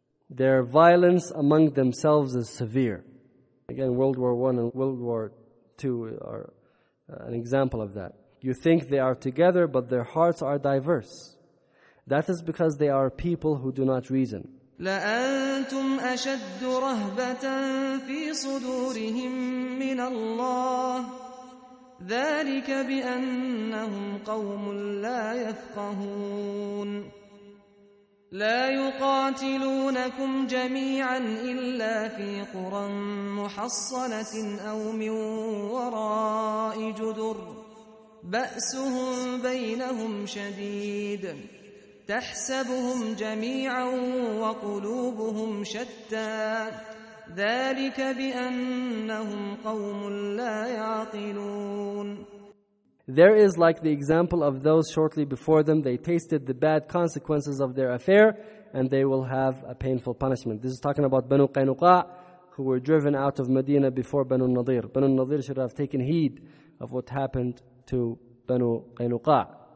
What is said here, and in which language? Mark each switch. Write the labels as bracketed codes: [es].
[en] Their violence among themselves is severe. Again, World War I and World War II are an example of that. You think they are together, but their hearts are diverse. That is because they are people who do not reason. [ar] لَأَنْتُمْ أَشَدُّ رَهْبَةً فِي صُدُورِهِمْ مِنَ اللَّهِ ذَلِكَ بِأَنَّهُمْ قَوْمٌ لَا يَفْقَهُونَ لا يقاتلونكم جميعا إلا في قرى محصنة أو من وراء جدر بأسهم بينهم شديد تحسبهم جميعا وقلوبهم شتى ذلك بأنهم قوم لا يعقلون. [en] There is like the example of those shortly before them. They tasted the bad consequences of their affair and they will have a painful punishment. This is talking about Banu Qaynuqa, who were driven out of Medina before Banu Nadir. Banu Nadir should have taken heed of what happened to Banu Qaynuqa.